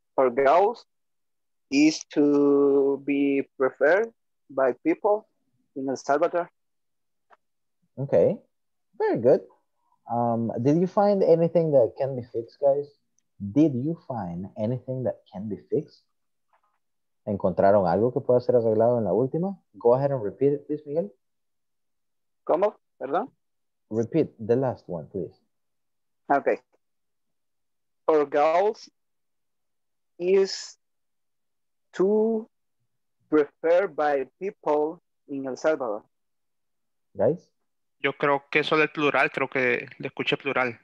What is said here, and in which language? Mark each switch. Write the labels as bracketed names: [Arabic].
[English] Our goals is to be preferred by people in El Salvador. Okay. Very good. Did you find anything that can be fixed, guys? Did you find anything that can be fixed? [Spanish] ¿Encontraron algo que pueda ser arreglado en la última? [English] Go ahead and repeat it, please, Miguel. [Spanish] ¿Cómo? ¿Perdón? [English] Repeat the last one, please. Okay. Our goals is to prefer by people in El Salvador. Guys? [Spanish] Yo creo que eso del plural, creo que le escuché plural.